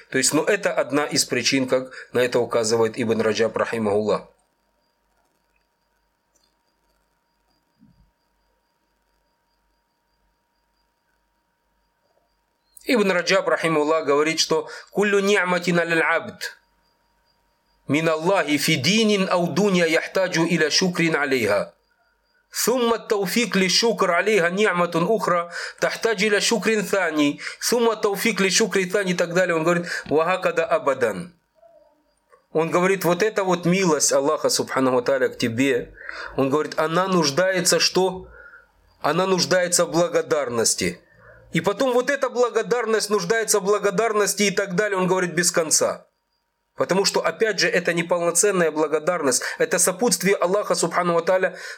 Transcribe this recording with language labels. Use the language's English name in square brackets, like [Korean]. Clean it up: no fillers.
[Russian] То есть, ну, это одна из причин, как на это указывает Ибн Раджаб, рахимахуллах. Ибн Раджаб, рахимахуллах, говорит, что [Arabic] «Куллю ниаматин аль-абд». من الله في دين أو دنيا يحتاج إلى شكر عليها ثم التوفيق للشكر عليها نعمة أخرى تحتاج إلى شكر ثاني ثم التوفيق للشكر ثاني تقدر [Russian] он говорит [Arabic] وهكذا أبدا. [Russian] Он говорит, вот эта вот милость Аллаха субханаху тааля к тебе, он говорит, она нуждается что? Она нуждается в благодарности. И потом вот эта благодарность нуждается в благодарности и так далее, он говорит, без конца. Потому что, опять же, это неполноценная благодарность. Это сопутствие Аллаха, субхану ва тааля.